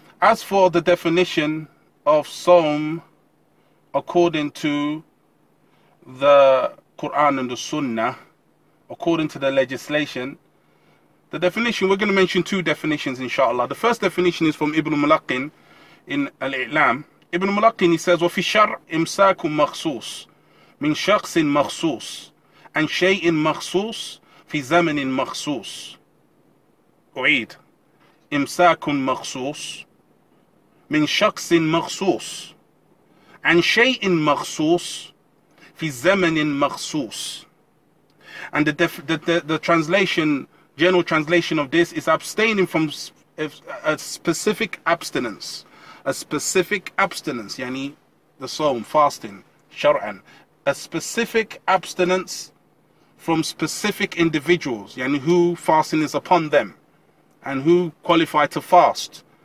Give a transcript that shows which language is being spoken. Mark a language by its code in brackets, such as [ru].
[en] As for the definition of Sawm according to the Quran and the Sunnah, according to the legislation, the definition, we're going to mention two definitions inshallah. The first definition is from Ibn Mulaqin in Al-I'lam. Ibn Mulaqin, he says, [ar] وَفِي شَرْ إِمْسَاكُمْ مَخْصُوصِ من شخص مخصوص عن شيء مخصوص في زمن مخصوص. أعيد. إمساك مخصوص من شخص مخصوص عن شيء مخصوص في زمن مخصوص. [en] And the translation, general translation of this is abstaining from a specific abstinence. A specific abstinence, يعني the صوم, fasting, شرعاً. A specific abstinence from specific individuals, and who fasting is upon them, and who qualify to fast.